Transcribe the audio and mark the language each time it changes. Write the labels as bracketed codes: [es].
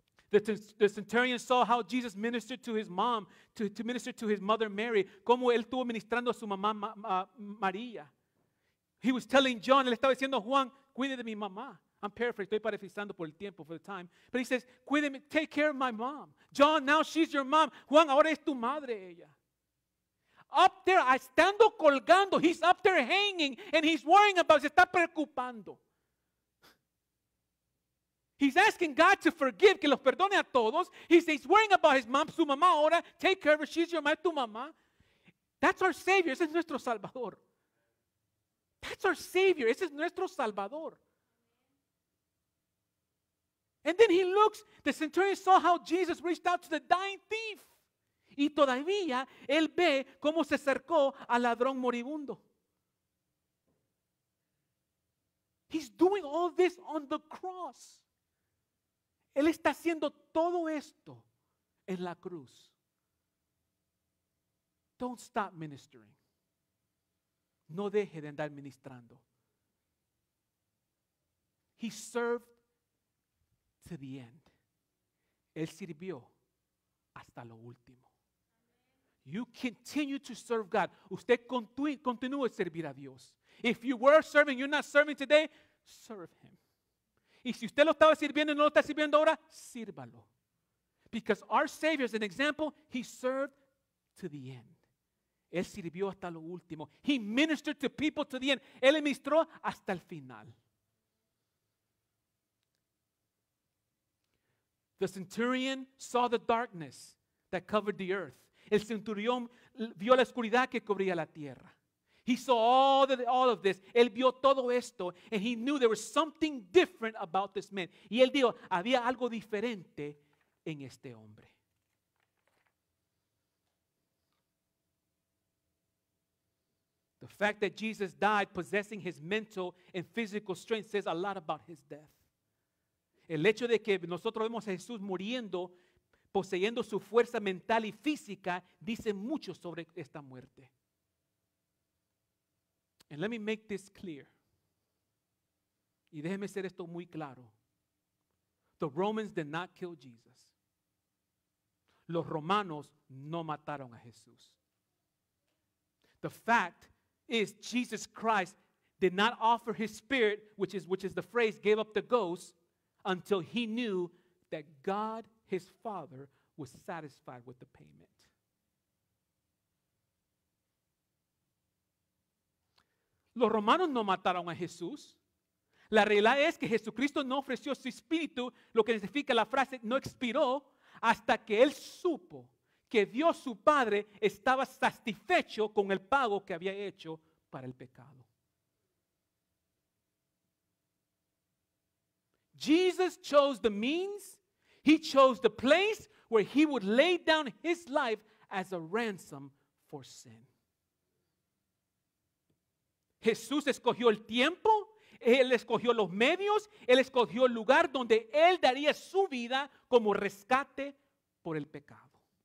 [en] The centurion saw how Jesus ministered to his mom, to minister to his mother Mary, [es] como él estuvo ministrando a su mamá María. [en] He was telling John, [es] él estaba diciendo a Juan, cuide de mi mamá. [en] I'm paraphrasing, [es] estoy parafrasando por el tiempo, [en] for the time. But he says, cuide, take care of my mom. John, now she's your mom. [es] Juan, ahora es tu madre ella. [en] Up there, [es] estando colgando, [en] he's up there hanging, and he's worrying about, [es] se está preocupando. [en] He's asking God to forgive, [es] que los perdone a todos. [en] He's worrying about his mom, [es] su mamá ahora, [en] take care of her, she's your mom, [es] tu mamá. [en] That's our Savior, [es] ese es nuestro Salvador. [en] That's our Savior, ese es nuestro Salvador. And then he looks, the centurion saw how Jesus reached out to the dying thief. [es] Y todavía él ve cómo se acercó al ladrón moribundo. [en] He's doing all this on the cross. [es] Él está haciendo todo esto en la cruz. [en] Don't stop ministering. [es] No deje de andar ministrando. [en] He served to the end. [es] Él sirvió hasta lo último. [en] You continue to serve God. [es] Usted continúa a servir a Dios. [en] If you were serving, you're not serving today, serve Him. [es] Y si usted lo estaba sirviendo y no lo está sirviendo ahora, sírvalo. [en] Because our Savior is an example. He served to the end. [es] Él sirvió hasta lo último. [en] He ministered to people to the end. [es] Él ministró hasta el final. [en] The centurion saw the darkness that covered the earth. [es] El centurión vio la oscuridad que cubría la tierra. [en] He saw all of this. [es] Él vio todo esto. [en] And he knew there was something different about this man. [es] Y él dijo, había algo diferente en este hombre. [en] The fact that Jesus died possessing his mental and physical strength says a lot about his death. [es] El hecho de que nosotros vemos a Jesús muriendo, poseyendo su fuerza mental y física, dice mucho sobre esta muerte. [en] And let me make this clear. [es] Y déjeme ser esto muy claro. [en] The Romans did not kill Jesus. [es] Los romanos no mataron a Jesús. [en] The fact is Jesus Christ did not offer his spirit, which is the phrase, gave up the ghost, until he knew that God, his Father, was satisfied with the payment. [es] Los romanos no mataron a Jesús. La realidad es que Jesucristo no ofreció su espíritu, lo que significa la frase no expiró, hasta que él supo que Dios su Padre estaba satisfecho con el pago que había hecho para el pecado. [en] Jesus chose the means, he chose the place where he would lay down his life as a ransom for sin. [es] Jesús escogió el tiempo, él escogió los medios, él escogió el lugar donde él daría su vida como rescate por el pecado.